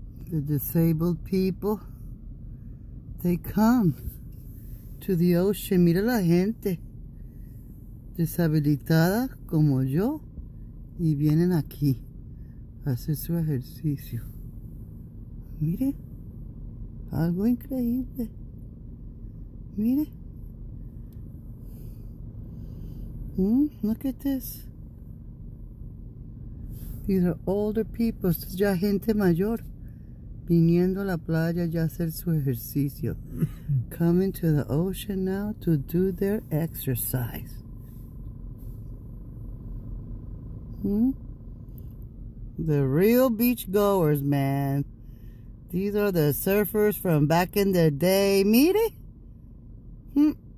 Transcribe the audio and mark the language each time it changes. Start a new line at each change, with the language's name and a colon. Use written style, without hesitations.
English: The disabled people, they come to the ocean.
Spanish: Mira la gente deshabilitada como yo y vienen aquí a hacer su ejercicio. Mire, algo increíble. Mire.
English: Look at this. These are older people.
Spanish: Esto es ya gente mayor. Viniendo a la playa ya hacer su ejercicio.
English: Coming to the ocean now to do their exercise. The real beach goers, man. These are the surfers from back in the day. Mire.